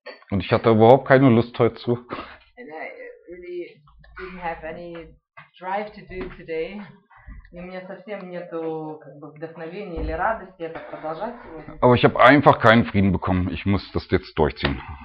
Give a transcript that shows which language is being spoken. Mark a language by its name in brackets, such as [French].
[German] Und ich hatte überhaupt keine Lust heute zu. [English] Really didn't have any drive to do today. [Russian] И у меня совсем нету как бы вдохновения или радости это продолжать сегодня. [German] Aber ich habe einfach keinen Frieden bekommen. Ich muss das jetzt durchziehen.